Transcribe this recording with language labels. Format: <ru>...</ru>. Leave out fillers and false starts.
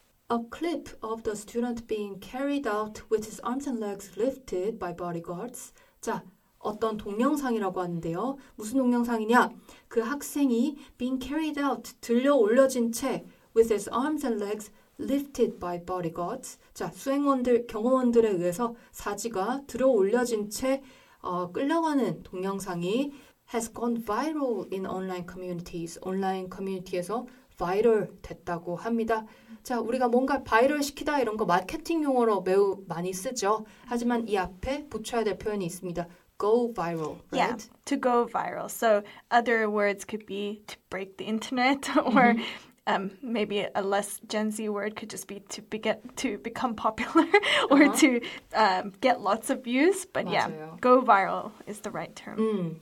<en>A clip of the student being carried out with his arms and legs lifted by bodyguards.</en> <ko>자, 어떤 동영상이라고 하는데요. 무슨 동영상이냐? 그 학생이</ko> <en>being carried out,</en> <ko>들려 올려진 채</ko> <en>with his arms and legs lifted by bodyguards.</en> <ko>자, 수행원들, 경호원들에 의해서 사지가 들어 올려진 채 끌려가는 동영상이</ko> <en>has gone viral in online communities.</en> <ko>온라인 커뮤니티에서 viral 됐다고 합니다. 자, 우리가 뭔가 바이럴 시키다 이런 거 마케팅 용어로 매우 많이 쓰죠. 하지만 이 앞에 붙여야 될 표현이 있습니다.</ko> <en>Go viral, right? Yeah, to go viral. So other words could be to break the internet or maybe a less Gen Z word could just be to become popular or to get lots of views. But</en> <ko>맞아요.</ko> <en>Yeah, go viral is the right term.</en>